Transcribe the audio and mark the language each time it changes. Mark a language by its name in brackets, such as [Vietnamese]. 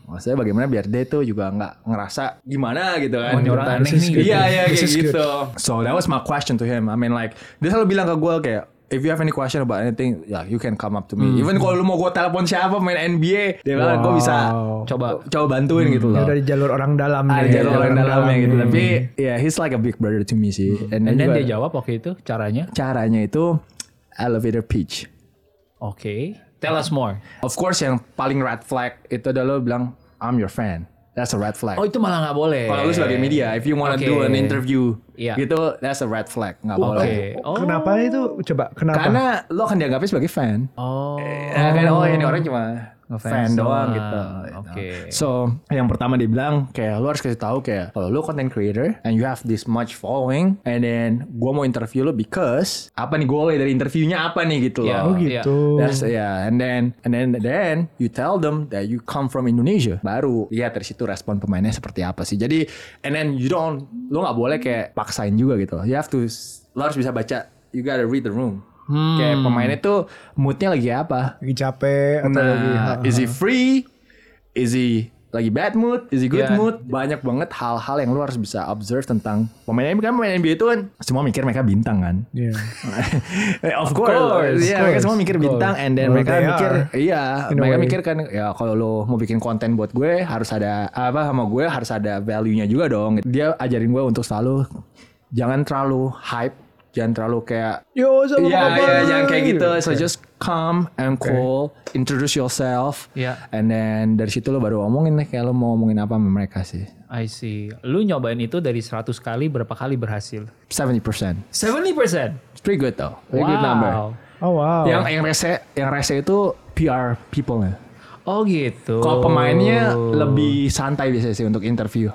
[Indonesian] Maksudnya bagaimana biar dia tuh juga gak ngerasa gimana gitu kan. Orang aneh nih. Iya, kayak gitu. [English] So that was my question to him. I mean like, [Indonesian] dia selalu bilang ke gue kayak, [English] if you have any question about anything, yeah, you can come up to me. [Indonesian] Mm-hmm. Even kalau lu mau gue telepon siapa main NBA, dia bilang, wow, gue bisa coba bantuin gitu loh. Dari jalur orang dalam. Dari jalur orang dalam ya gitu. [English] Tapi yeah, he's like a big brother to me sih. Mm-hmm. And then [Indonesian] dia jawab waktu itu caranya? Caranya itu elevator pitch. [English] Okay, tell us more. Of course [Indonesian] yang paling red flag itu adalah lu bilang, [English] I'm your fan. That's a red flag. [Indonesian] Oh itu malah gak boleh. Kalau lu sebagai media, [English] if you wanna do an interview, yeah, gitu, that's a red flag. [Indonesian] Gak boleh. Oh. Kenapa itu? Coba, kenapa? Karena lu akan dianggapnya sebagai fan. Oh. Ini orang cuma fan doang gitu. Okay. So, yang pertama dia bilang, kayak lu harus kasih tahu kayak, kalau lu content creator, [English] and you have this much following, [Indonesian] and then gua mau interview lu because, apa nih goalnya dari interviewnya apa nih gitu loh. Oh gitu. [English] That's, yeah. And then you tell them that you come from Indonesia. [Indonesian] Baru, lihat dari situ respon pemainnya seperti apa sih. Jadi, [English] and then you don't, [Indonesian] lu gak boleh kayak paksain juga gitu. [English] You have to, [Indonesian] lu harus bisa baca, [English] you gotta read the room. Hmm. [Indonesian] Kayak pemainnya tuh moodnya lagi apa? Lagi capek atau nah, lagi? [English] Is he free? Is he lagi bad mood? Is he good mood? [Indonesian] Banyak banget hal-hal yang lu harus bisa observe tentang pemainnya. Kan pemain NBA itu kan semua mikir mereka bintang kan? Yeah. [English] of course. [Indonesian] Yeah, mereka semua mikir bintang, and then well, mereka mikir, iya, mereka mikir kan, ya kalau lu mau bikin konten buat gue harus ada apa sama gue harus ada value-nya juga dong. Dia ajarin gue untuk selalu jangan terlalu hype. Jangan terlalu kayak yo sama apa-apa. Yeah, jangan kayak gitu. [English] So just come and call, introduce yourself. Yeah. And then [Indonesian] dari situ lo baru omongin kayak lo mau omongin apa sama mereka sih. [English] I see. [Indonesian] Lu nyobain itu dari 100 kali berapa kali berhasil? 70%. 70%. [English] It's pretty good though. Very good number. Oh wow. [Indonesian] Yang rese itu PR people-nya. Oh gitu. Kalau pemainnya lebih santai biasanya sih untuk interview.